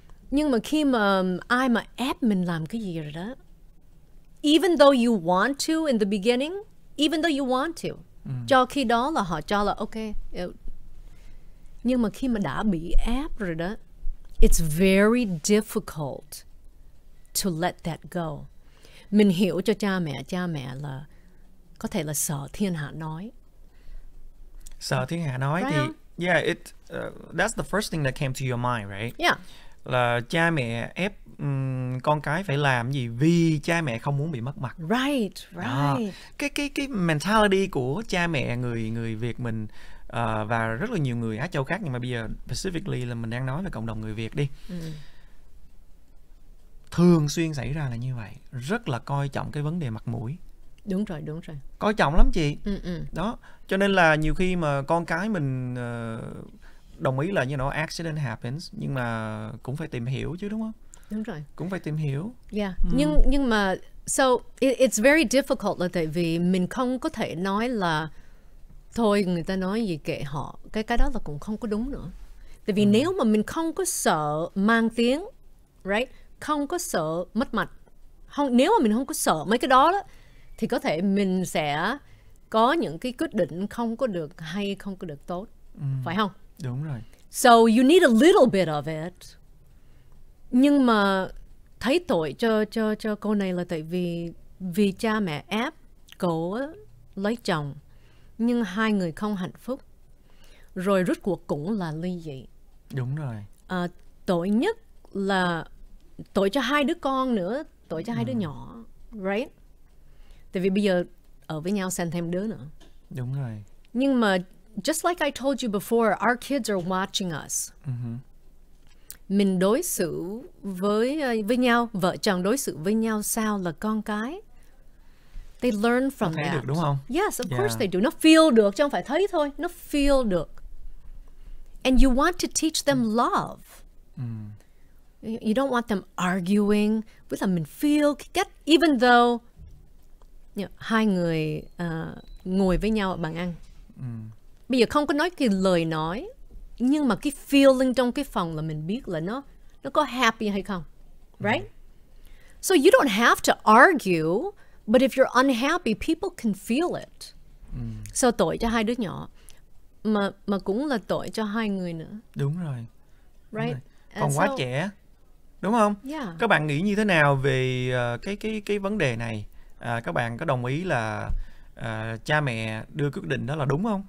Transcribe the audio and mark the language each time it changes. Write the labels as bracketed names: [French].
[Vietnamese] Nhưng mà khi mà ai mà ép mình làm cái gì rồi đó, [English] even though you want to [Vietnamese] in the beginning, even though you want to, cho khi đó là họ cho là ok. Nhưng mà khi mà đã bị ép rồi đó, [English] it's very difficult to let that go. [Vietnamese] Mình hiểu cho cha mẹ là có thể là sợ thiên hạ nói. Sợ thiên hạ nói, [English] right? Thì yeah, it that's the first thing that came to your mind, right? Yeah. [Vietnamese] Là cha mẹ ép con cái phải làm gì vì cha mẹ không muốn bị mất mặt. [English] Right, right. [Vietnamese] Đó. Cái mentality của cha mẹ người Việt mình và rất là nhiều người Á Châu khác, nhưng mà bây giờ specifically là mình đang nói về cộng đồng người Việt đi. Thường xuyên xảy ra là như vậy, rất là coi trọng cái vấn đề mặt mũi. Đúng rồi, đúng rồi. Coi trọng lắm chị. Ừ. Đó, cho nên là nhiều khi mà con cái mình đồng ý là như nó [English] accident happens, [Vietnamese] nhưng mà cũng phải tìm hiểu chứ, đúng không? Đúng rồi. Cũng phải tìm hiểu. [English] Yeah. [Vietnamese] Nhưng mà [English] so it's very difficult [Vietnamese] là tại vì mình không có thể nói là thôi người ta nói gì kệ họ, cái đó là cũng không có đúng nữa. Tại vì nếu mà mình không có sợ mang tiếng, right? Không có sợ mất mặt. Không, nếu mà mình không có sợ mấy cái đó đó thì có thể mình sẽ có những cái quyết định không có được hay, không có được tốt. Phải không? Đúng rồi. [English] So you need a little bit of it. [Vietnamese] Nhưng mà thấy tội cho cô này là tại vì vì cha mẹ ép cô lấy chồng, nhưng hai người không hạnh phúc, rồi rốt cuộc cũng là ly dị. Đúng rồi. À, tội nhất là tội cho hai đứa con nữa, tội cho hai đứa nhỏ, right? Tại vì bây giờ ở với nhau sinh thêm đứa nữa. Đúng rồi. Nhưng mà [English] just like I told you before, our kids are watching us. [Vietnamese] Mình đối xử với nhau, vợ chồng đối xử với nhau sao là con cái. [English] They learn from [Vietnamese] thấy [English] that. [Vietnamese] Được, đúng không? [English] Yes, of course they do. [Vietnamese] Nó feel được, chứ không phải thấy thôi. Nó feel được. [English] And you want to teach them love. You don't want them arguing. [Vietnamese] Với là mình feel, [English] even though you know, [Vietnamese] hai người ngồi với nhau ở bàn ăn. Bây giờ không có nói cái lời nói, nhưng mà cái feeling trong cái phòng là mình biết là nó có happy hay không. [English] Right? So you don't have to argue, but if you're unhappy, people can feel it. [Vietnamese] So tội cho hai đứa nhỏ, mà cũng là tội cho hai người nữa. Đúng rồi. [English] Right? [Vietnamese] Đúng rồi. Còn quá trẻ. Đúng không? [English] Yeah. [Vietnamese] Các bạn nghĩ như thế nào về cái vấn đề này? Các bạn có đồng ý là cha mẹ đưa quyết định đó là đúng không?